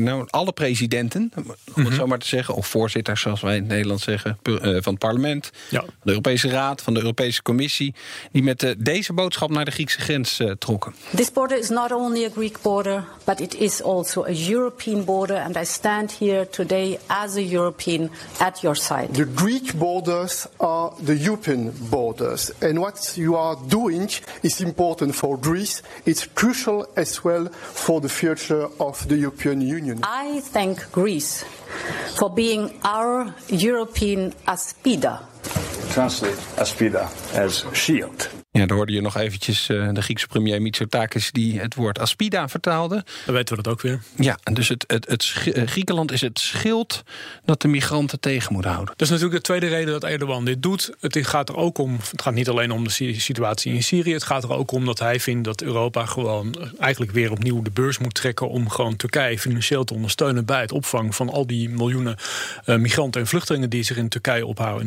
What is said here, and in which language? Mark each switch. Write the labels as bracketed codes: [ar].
[nl] Alle presidenten, om het zo maar te zeggen, of voorzitters, zoals wij in het Nederlands zeggen, van het parlement, van de Europese Raad, van de Europese Commissie, die met deze boodschap naar de Griekse grens trokken. [en] This border is not only a Greek border, but it is also a European border, and I stand here today as a European at your side. The Greek borders are the European borders, and what you are doing is important for Greece. It's crucial as well for the future of the European Union. I thank Greece for being our European Aspida. Translate Aspida as shield. [nl] Ja, daar hoorde je nog eventjes de Griekse premier Mitsotakis die het woord Aspida vertaalde. Dan weten we dat ook weer. Ja, dus Griekenland is het schild dat de migranten tegen moet houden. Dat is natuurlijk de tweede reden dat Erdogan dit doet. Het gaat er ook om, het gaat niet alleen om de situatie in Syrië. Het gaat er ook om dat hij vindt dat Europa gewoon eigenlijk weer opnieuw de beurs moet trekken om gewoon Turkije financieel te ondersteunen bij het opvangen van al die miljoenen migranten en vluchtelingen die zich in Turkije ophouden.